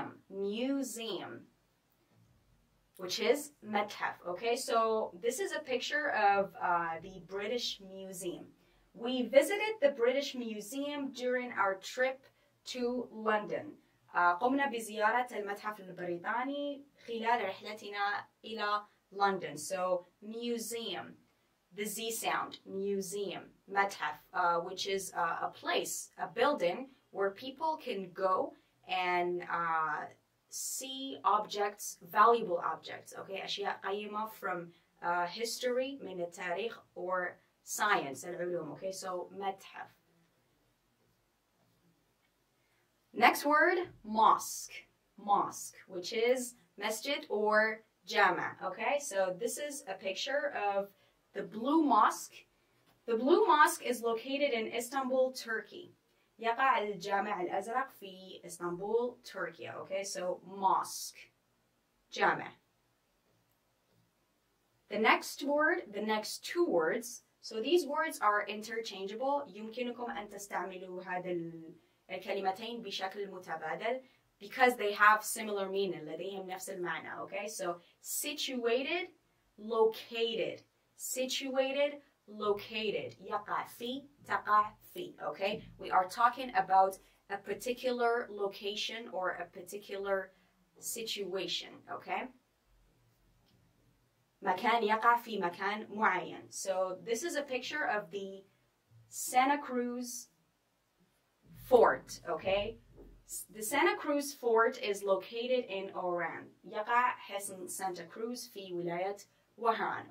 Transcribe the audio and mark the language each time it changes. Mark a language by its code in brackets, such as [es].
[en] Museum, which is متحف. Okay, so this is a picture of the British Museum. We visited the British Museum during our trip to London. [ar] قمنا بزيارة المتحف البريطاني خلال رحلتنا إلى London. [en] So museum, the Z sound, museum, متحف, which is a place, a building where people can go and see objects, valuable objects. Okay, [ar] أشياء قيمة [en] from history, [ar] من التاريخ, [en] or science, العلوم. Okay, so متحف. Next word, mosque, which is masjid or jama. Okay, so this is a picture of the Blue Mosque. The Blue Mosque is located in Istanbul, Turkey. [ar] يقع الجامع الأزرق في إسطنبول, تركيا. [en] Okay, so mosque, jama. The next word, the next two words. So these words are interchangeable. [ar] يمكنكم أن تستعملوا هذا الكلمتين بشكل متبادل [en] because they have similar meaning, [ar] لديهم نفس المعنى. [en] Okay, so situated, located, [ar] يقع في, تقع في. [en] Okay, we are talking about a particular location or a particular situation. [ar] Okay, مكان يقع في مكان معين. [en] So this is a picture of the Santa Cruz Fort, okay? The Santa Cruz Fort is located in Oran. [ar] يقع حصن Santa Cruz في ولاية وهران.